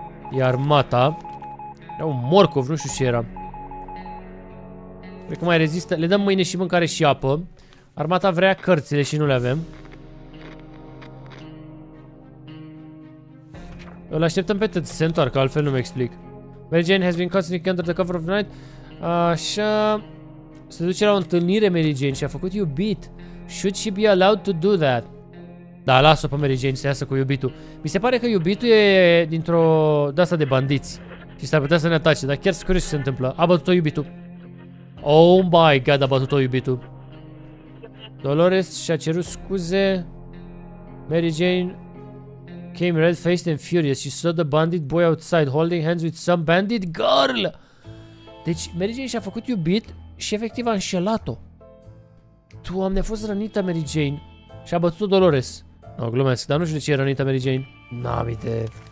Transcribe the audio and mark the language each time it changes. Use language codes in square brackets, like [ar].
[ro] E armata. Era un morcov, nu știu ce era. Cred că mai rezistă. Le dăm mâine și mâncare și apă. Armata vrea cărțile și nu le avem. Îl așteptăm pe Ted să se întoarcă, altfel nu-mi explic. [en] Mary Jane has been constantly under the cover of night. [ro] Așa... Se duce la o întâlnire Mary Jane și a făcut iubit. [en] Should she be allowed to do that? [ro] Da, las-o pe Mary Jane să iasă cu iubitul. Mi se pare că iubitul e dintr-o... de-asta de bandiți. Și s-ar putea să ne atace, dar chiar sunt curios ce se întâmplă. A bătut-o iubitul. [en] Oh my god, [ro] a bătut-o iubitul. Dolores și-a cerut scuze. [en] Mary Jane came red-faced and furious. She saw the bandit boy outside holding hands with some bandit girl. [ro] Deci Mary Jane și-a făcut iubit și efectiv a înșelat-o. Doamne, a fost rănită Mary Jane și a bătut-o Dolores. No, glumesc, dar nu știu de ce e rănită Mary Jane. N-am idee.